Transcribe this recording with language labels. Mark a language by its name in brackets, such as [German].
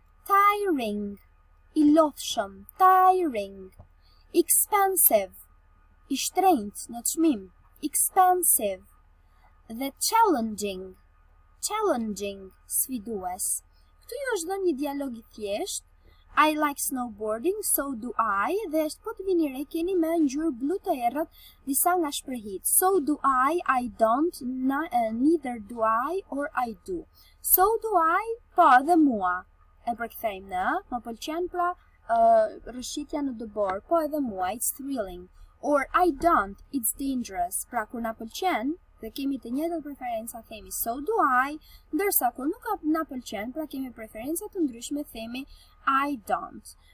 [Albanian] Tiring, I lodhshëm, tiring, expensive, I shtrenjt në çmim, expensive, dhe challenging, challenging, sfidues. Këtu ju është dhënë një dialog I thjesht, [English] I like snowboarding, so do I, [Albanian] dhe është po të vini re, keni me ngjyrë blu të errët disa nga shprehit. [English] So do I don't, neither do I, or I do. So do I, [Albanian] po dhe mua. E përkthejmë në, më pëlqen pra rëshqitja në dëbor, po edhe mua, [English] it's thrilling, or I don't, it's dangerous, [Albanian] pra kur na pëlqen, dhe kemi të njëjtat preferenca, themi [English] so do I, [Albanian] ndërsa kur nuk na pëlqen, pra kemi preferenca të ndryshme, themi [English] I don't.